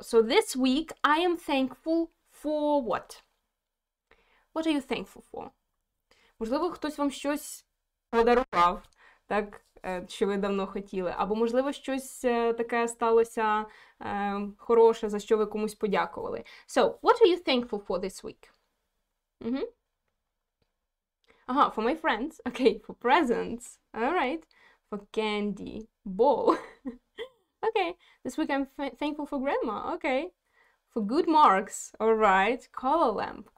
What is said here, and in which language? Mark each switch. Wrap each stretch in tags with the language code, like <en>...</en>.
<en>So, this week I am thankful for what? What are you thankful for?</en> <uk>Можливо, хтось вам щось подарував, так, що ви давно хотіли. Або, можливо, щось таке сталося хороше, за що ви комусь подякували.</uk> <en>So, what are you thankful for this week? Ага, for my friends. Okay, for presents. All right. For candy. Ball. Okay, this week I'm thankful for grandma. Okay. For good marks. All right. Color lamp.</en>